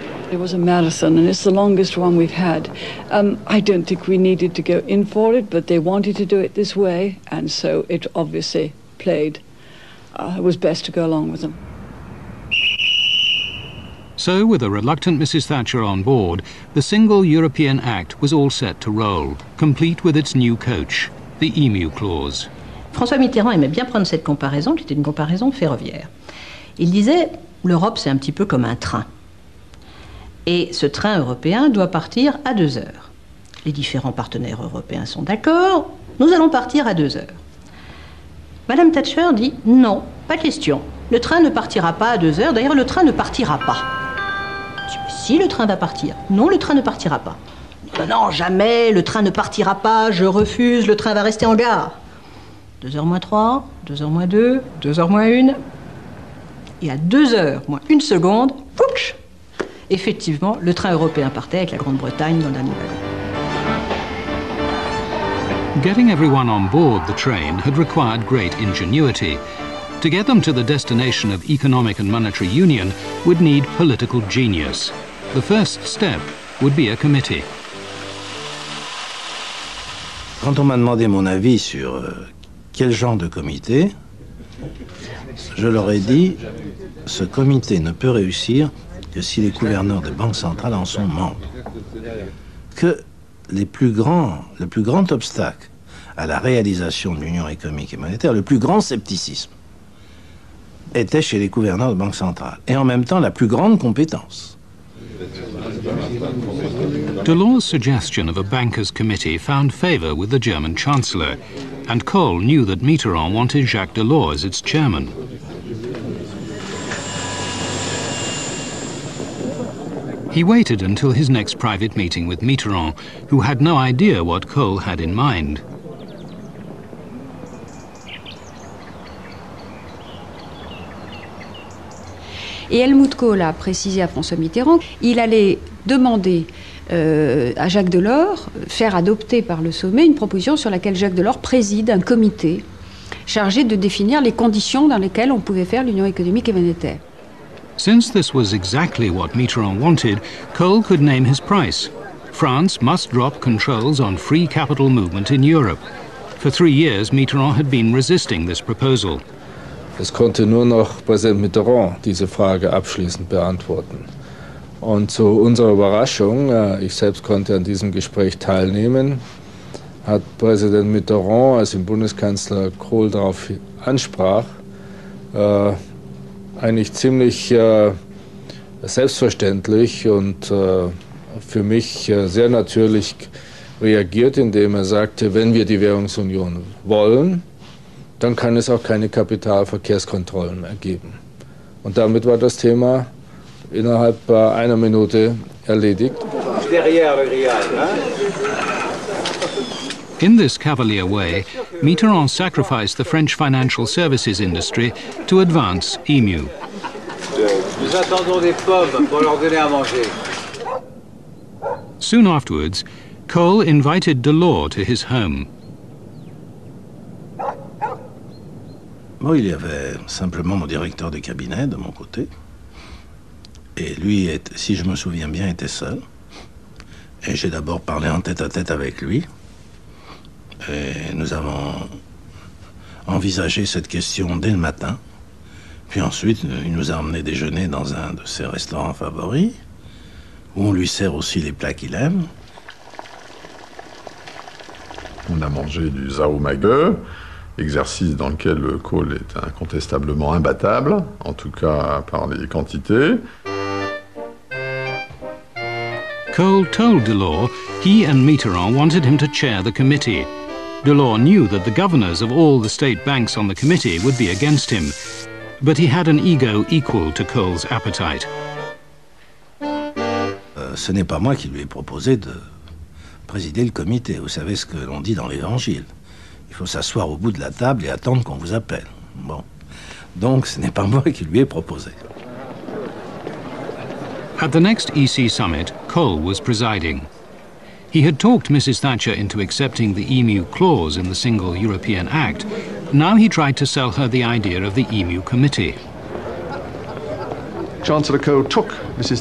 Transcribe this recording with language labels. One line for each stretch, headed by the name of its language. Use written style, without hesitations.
English: It was a marathon, and it's the longest one we've had. I don't think we needed to go in for it, but they wanted to do it this way, and so it obviously played. It was best to go along with them. So, with a reluctant Mrs. Thatcher on board, the single European Act was all set to roll, complete with its new coach, the Emu Clause.
French: François Mitterrand aimait bien prendre cette comparaison, qui était une comparaison ferroviaire. Il disait, l'Europe, c'est un petit peu comme un train. Et ce train européen doit partir à 2 heures. Les différents partenaires européens sont d'accord, nous allons partir à 2 heures. Madame Thatcher dit, non, pas question. Le train ne partira pas à 2 heures, d'ailleurs le train ne partira pas. Si, le train va partir. Non, le train ne partira pas. Non, jamais, le train ne partira pas, je refuse, le train va rester en gare. 2h-3, 2h-2, 2h-1. Et à 2h-1 seconde, pouch ! Effectivement, le train européen partait avec la Grande-Bretagne dans le dernier wagon.
English: Getting everyone on board the train had required great ingenuity. To get them to the destination of economic and monetary union would need political genius. The first step would be a committee.
French: Quand on m'a demandé mon avis sur quel genre de comité, je leur ai dit, ce comité ne peut réussir que si les gouverneurs des banques centrales en sont membres. Que le plus grand obstacle à la réalisation de l'union économique et monétaire, le plus grand scepticisme, était chez les gouverneurs de banques centrales, et en même temps la plus grande compétence.
English: Delors' suggestion of a bankers' committee found favor with the German chancellor, and Kohl knew that Mitterrand wanted Jacques Delors as its chairman. He waited until his next private meeting with Mitterrand, who had no idea what Kohl had in mind. Et Helmut Kohl a précisé à François Mitterrand, il allait demander à Jacques Delors, faire adopter par le sommet une proposition sur laquelle Jacques Delors préside un comité chargé de définir les conditions dans lesquelles on pouvait faire l'union économique et monétaire. Since this was exactly what Mitterrand wanted, Kohl could name his price. France must drop controls on free capital movement in Europe. For 3 years, Mitterrand had been resisting this proposal.
German: Es konnte nur noch Präsident Mitterrand diese Frage abschließend beantworten. Und zu unserer Überraschung, ich selbst konnte an diesem Gespräch teilnehmen, hat Präsident Mitterrand, als ihn Bundeskanzler Kohl darauf ansprach, eigentlich ziemlich selbstverständlich und für mich sehr natürlich reagiert, indem er sagte, wenn wir die Währungsunion wollen, dann kann es auch keine Kapitalverkehrskontrollen mehr geben. Und damit war das Thema innerhalb einer Minute erledigt.
English: In this cavalier way, Mitterrand sacrificed the French financial services industry to advance EMU.
French: Nous attendons des pommes pour leur donner à manger.
English: Soon afterwards, Kohl invited Delors to his home.
French: Bon, il y avait simplement mon directeur de cabinet de mon côté. Et lui, si je me souviens bien, était seul. Et j'ai d'abord parlé en tête à tête avec lui. Et nous avons envisagé cette question dès le matin. Puis ensuite, il nous a emmené déjeuner dans un de ses restaurants favoris, où on lui sert aussi les plats qu'il aime. On a mangé du Zaumage. Exercice dans lequel le Kohl est incontestablement imbattable, en tout cas par les quantités.
English: Kohl told Delors he and Mitterrand wanted him to chair the committee. Delors knew that the governors of all the state banks on the committee would be against him, but he had an ego equal to Kohl's appetite.
French: Ce n'est pas moi qui lui ai proposé de présider le comité. Vous savez ce que l'on dit dans l'Évangile. Il faut s'asseoir au bout de la table et attendre qu'on vous appelle. Bon. Donc, ce n'est pas moi qui lui ai proposé.
English: At the next EC summit, Kohl was presiding. He had talked Mrs. Thatcher into accepting the EMU clause in the Single European Act. Now he tried to sell her the idea of the EMU committee. Chancellor Kohl took Mrs.